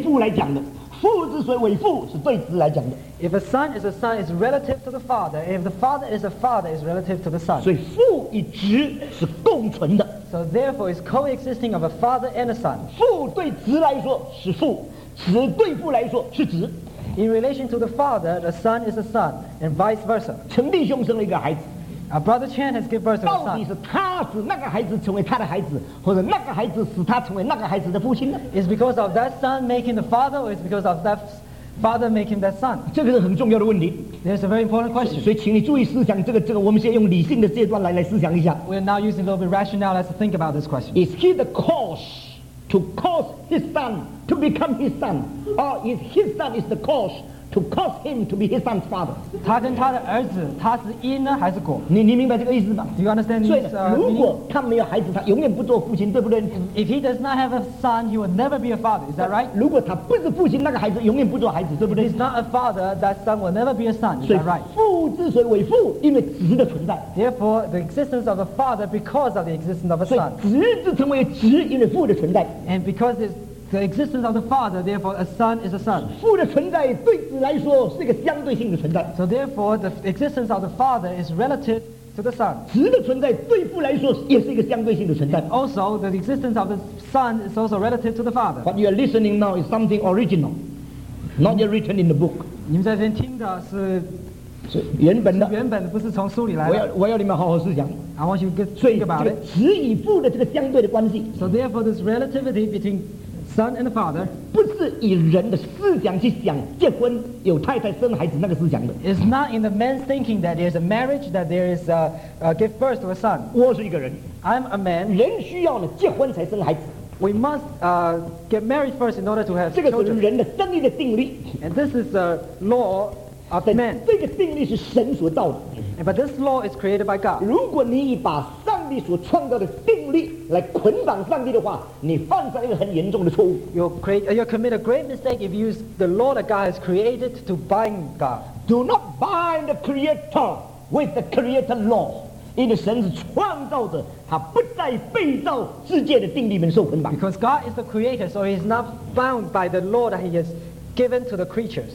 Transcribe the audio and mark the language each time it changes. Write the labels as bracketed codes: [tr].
[zh] 这个父与子之间的关系，子之所以为子，是对父来讲的；父之所以为父，是对子来讲的。 [en] If a son is a son, it's relative to the father. If the father is a father, it's relative to the son. [zh] 所以父与子是共存的。 [en] So therefore, it's coexisting of a father and a son. [zh] 父对子来说是父，子对父来说是子。 [en] In relation to the father, the son is a son, and vice versa. [zh] 陈弟兄生了一个孩子。 [en] Our brother Chan has given birth to a son. [zh] 到底是他使那个孩子成为他的孩子, 或者那个孩子使他成为那个孩子的父亲呢? [en] It's because of that son making the father, or it's because of that father making that son? [zh] 这个是很重要的问题。 [en] There's a very important question. [zh] 所以请你注意思想这个，我们先用理性的阶段来思想一下。 [en] We're now using a little bit of rationale as to think about this question. Is he the cause to cause his son to become his son? Or is his son is the cause to cause him to be his son's father? [zh] 他跟他的儿子，他是因呢还是果？你明白这个意思吗？ [en] Do you understand this? [zh] 所以如果他没有孩子，他永远不做父亲，对不对？ [en] If he does not have a son, he will never be a father. Is that right? [zh] 如果他不是父亲，那个孩子永远不做孩子，对不对？ [en] If he's not a father, that son will never be a son. Is that right? [zh] 父之所以为父，因为子的存在。 [en] Therefore, the existence of a father because of the existence of a son. [zh] 所以子就成为子，因为父的存在。 [en] And because it's the existence of the father, therefore a son is a son. [zh] 父的存在对子来说是一个相对性的存在。 [en] So therefore the existence of the father is relative to the son. [zh] 子的存在对父来说也是一个相对性的存在。 [en] And also the existence of the son is also relative to the father. What you are listening now is something original, not yet written in the book. [zh] 你们在这边听的是原本的，不是从书里来的。我要你们好好思想。 [en] I want you to think about it. [zh] 子与父的这个相对的关系。 [en] So therefore this relativity between Son and the father, [zh] 不是以人的思想去想结婚有太太生孩子那个思想的。 [en] It's not in the man's thinking that there's a marriage, that there is a give birth to a son. [zh] 我是一个人, [en] I'm a man. [zh] 人需要了结婚才生孩子。 [en] We must get married first in order to have children. [zh] 这个是人的生理的定律。 [en] And this is a law of man. [zh] 这个定律是神所造的。 [en] But this law is created by God. [zh] 如果你把上帝所创造的定律来捆绑上帝的话，你犯下一个很严重的错误。 [en] You commit a great mistake if you use the law that God has created to bind God. Do not bind the creator with the creator law. [zh] 因为神是创造者，他不在被造世界的定律里面受捆绑。 [en] Because God is the creator, so he is not bound by the law that he has given to the creatures.